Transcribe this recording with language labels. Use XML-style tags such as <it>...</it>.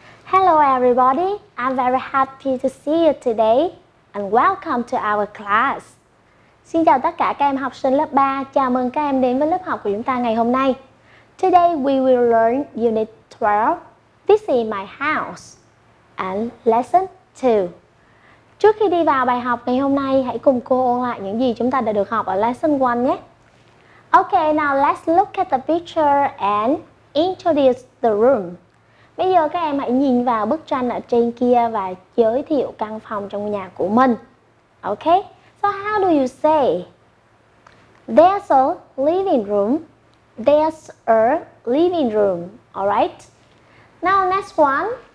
<en>Hello everybody, I'm very happy to see you today and welcome to our class.</en> <vi>Xin chào tất cả các em học sinh lớp 3, chào mừng các em đến với lớp học của chúng ta ngày hôm nay.</vi> <en>Today we will learn Unit 12, This is my house and Lesson 2.</en> <vi>Trước khi đi vào bài học ngày hôm nay, hãy cùng cô ôn lại những gì chúng ta đã được học ở Lesson 1 nhé.</vi> <en>Okay, now let's look at the picture and introduce the room.</en> <vi>Bây giờ các em hãy nhìn vào bức tranh ở trên kia và giới thiệu căn phòng trong nhà của mình.</vi> <en>Okay, so how do you say? There's a living room. There's a living room. Alright. Now next one.</en>